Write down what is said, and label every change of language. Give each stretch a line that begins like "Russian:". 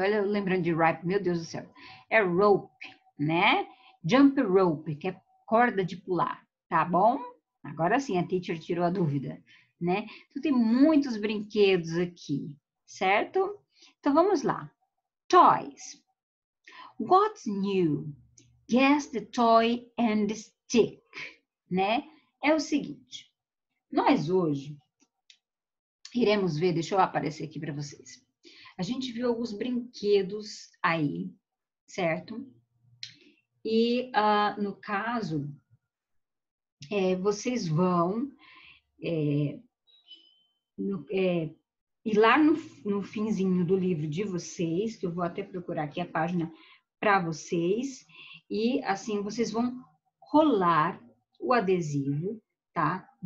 Portuguese: Olha, lembrando de ripe, meu Deus do céu. É rope, né? Jump rope, que é corda de pular, tá bom? Agora sim, a teacher tirou a dúvida, né? Tu então, tem muitos brinquedos aqui, certo? Então vamos lá.
English: Toys. What's new? Guess the toy and the stick, né?
Portuguese: É o seguinte. Nós hoje iremos ver, deixa eu aparecer aqui para vocês. A gente viu alguns brinquedos aí, certo? E no caso, vocês vão ir lá no finzinho do livro de vocês, que eu vou até procurar aqui a página para vocês, e assim vocês vão colar o adesivo, tá?